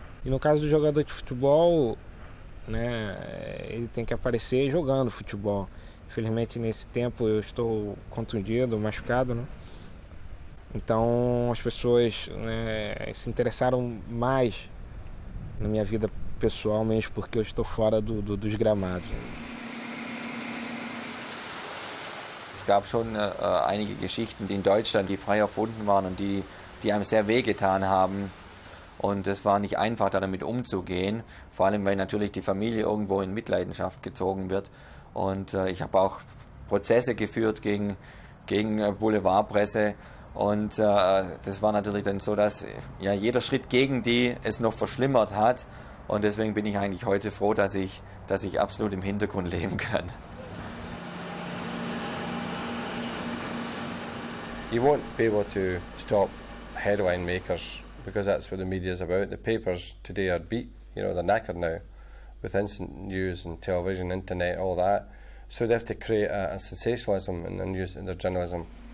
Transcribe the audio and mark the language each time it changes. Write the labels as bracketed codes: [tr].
[pt] E no caso do jogador de futebol, né, ele tem que aparecer jogando futebol. Infelizmente, nesse tempo, eu estou contundido, machucado, né? Então, as pessoas, né, se interessaram mais na minha vida pessoal mesmo, porque eu estou fora dos gramados. [de] Es gab schon einige Geschichten in Deutschland, die frei erfunden waren und die einem sehr weh getan haben. Und es war nicht einfach, da damit umzugehen, vor allem weil natürlich die Familie irgendwo in Mitleidenschaft gezogen wird. Und ich habe auch Prozesse geführt gegen Boulevardpresse. Und das war natürlich dann so, dass ja jeder Schritt gegen die es noch verschlimmert hat. Und deswegen bin ich eigentlich heute froh, dass ich absolut im Hintergrund leben kann. [en] You won't be able to stop headline makers, because that's what the media is about. The papers today are beat, you know, they're knackered now with instant news and television, internet, all that. So they have to create a sensationalism in the news, in their journalism.